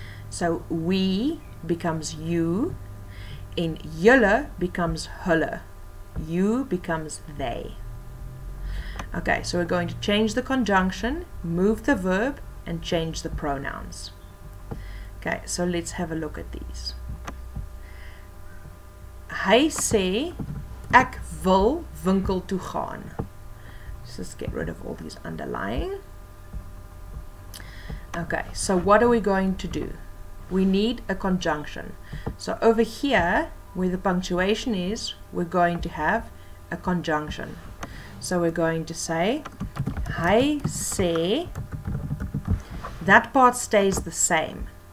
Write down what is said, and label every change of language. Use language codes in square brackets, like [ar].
[en] So we becomes you. And julle becomes hulle. You becomes they. Okay, so we're going to change the conjunction, move the verb, and change the pronouns. Okay, so let's have a look at these. [af] Hy sê, ek wil winkel toe gaan. [en] Let's just get rid of all these underlying. Okay, so what are we going to do? We need a conjunction. So over here, where the punctuation is, we're going to have a conjunction. So we're going to say, [af] hy sê, [en] that part stays the same.